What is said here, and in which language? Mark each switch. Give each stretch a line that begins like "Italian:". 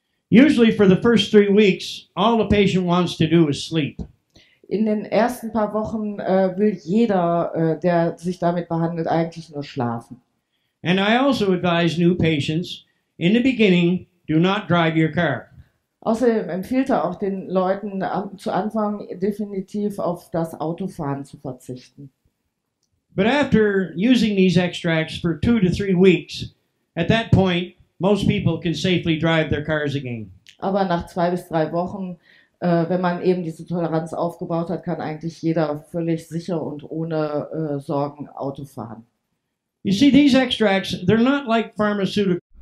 English: Usually for the first 3 weeks, all the patient wants to do is sleep.
German: In den ersten paar Wochen will jeder, der sich damit behandelt, eigentlich nur schlafen.
English: And I also advise new patients, in the beginning, do not drive your car.
German: Außerdem empfiehlt er auch den Leuten, zu Anfang definitiv auf das Autofahren zu verzichten.
English: But after using these extracts for 2 to 3 weeks, at that point, most people can safely drive their cars again.
German: Aber nach 2 bis 3 Wochen, wenn man eben diese Toleranz aufgebaut hat, kann eigentlich jeder völlig sicher und ohne Sorgen Auto fahren.
English: You see, these extracts, they're not like pharmaceutical.